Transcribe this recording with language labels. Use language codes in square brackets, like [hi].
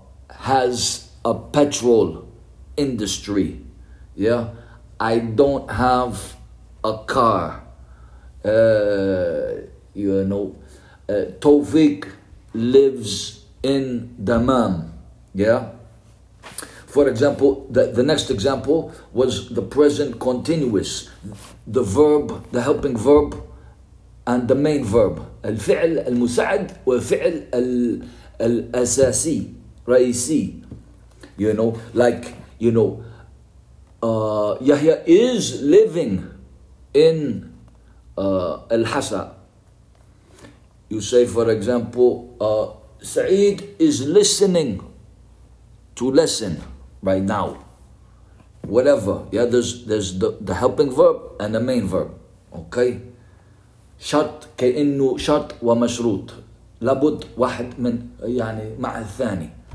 [en] has a petrol industry, yeah, I don't have a car, you know, Tawfiq lives in Dammam, yeah. For example, the next example was the present continuous, the verb, the helping verb, and the main verb. [ar] الفعل المساعد والفعل الأساسي رئيسي. [en] You know, like you know, Yahya is living in Al-Hasa. You say, for example, Saeed is listening to lesson right now. Whatever. Yeah, there's the helping verb and the main verb. [ar] Okay? شرط كأنه شرط ومشروط. لابد واحد من يعني مع الثاني.